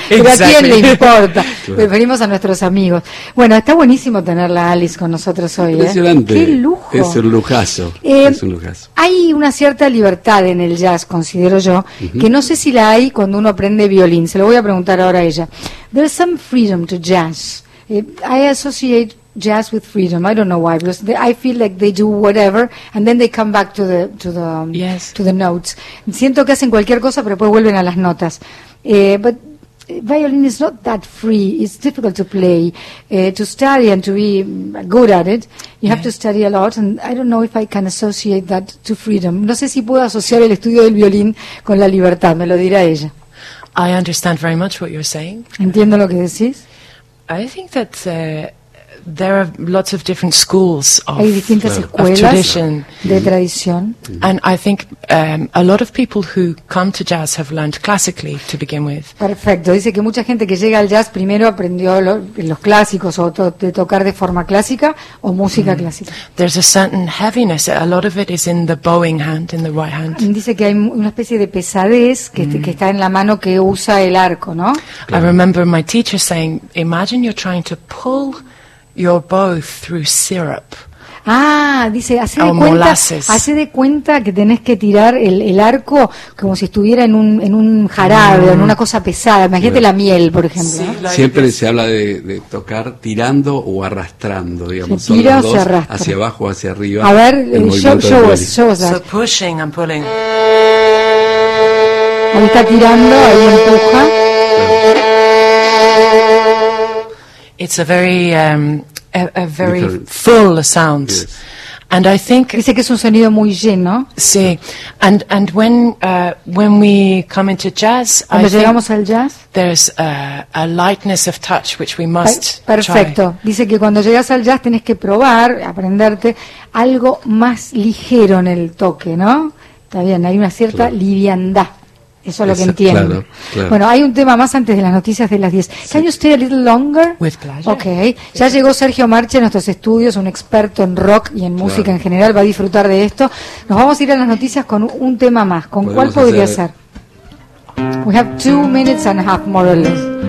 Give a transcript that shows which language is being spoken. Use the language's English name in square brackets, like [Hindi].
[English] Exactly. [Spanish] ¿A quién le importa? Preferimos a nuestros amigos. Bueno, está buenísimo tenerla a Alice con nosotros hoy. Impresionante. ¡Qué lujo! Es un lujazo. Hay una cierta libertad en el jazz, considero yo, que no sé si la hay cuando uno aprende violín. Se lo voy a preguntar ahora a ella. [English] There's some freedom to jazz. I associate jazz with freedom. I don't know why, because I feel like they do whatever and then they come back to the notes. [Spanish] Siento que hacen cualquier cosa, pero después vuelven a las notas. [English] But violin is not that free. It's difficult to play, to study and to be good at it. You have to study a lot, and I don't know if I can associate that to freedom. [Spanish] No sé si puedo asociar el estudio del violín con la libertad. Me lo dirá ella. [English] I understand very much what you're saying. [Spanish] Entiendo lo que decís. [English] I think that there are lots of different schools of, [Spanish] hay distintas escuelas [English] of tradition. [Spanish] De tradición. [English] And I think a lot of people who come to jazz have learned classically to begin with. [Spanish] Perfecto. Dice que mucha gente que llega al jazz primero aprendió los clásicos o de tocar de forma clásica o música clásica. [English] There's a certain heaviness. A lot of it is in the bowing hand, in the right hand. [Spanish] Dice que hay una especie de pesadez que está en la mano que usa el arco, ¿no? [English] I remember my teacher saying, imagine you're trying to pull your bow through syrup. [Spanish] Dice, hace de cuenta que tenés que tirar el arco como si estuviera en un jarabe, en una cosa pesada. Imagínate la miel, por ejemplo. Sí, siempre se habla de tocar tirando o arrastrando, digamos. Se tira o se arrastra. Hacia abajo o hacia arriba. A ver, [English] show us that. So pushing and pulling. [Spanish] Ahí está tirando, ahí empuja. [English] It's a very different. Full sound. Yes. And I think [Spanish] dice que es un sonido muy lleno. [English] Sí. And when we come into jazz, [Spanish] cuando llegamos al jazz, [English] there's a lightness of touch which we must [Spanish] perfecto. [English] Try. [Spanish] Dice que cuando llegas al jazz tenés que probar, aprenderte algo más ligero en el toque, ¿no? Está bien, hay una cierta liviandad. Eso es lo que entiendo. Claro. Bueno, hay un tema más antes de las noticias de las 10. Sí. [English] Can you stay a little longer? With pleasure. Okay. [Spanish] Ya llegó Sergio Marche a nuestros estudios, un experto en rock y en música en general, va a disfrutar de esto. Nos vamos a ir a las noticias con un tema más. ¿Con cuál podría ser? [English] We have 2 minutes and a half, more or less.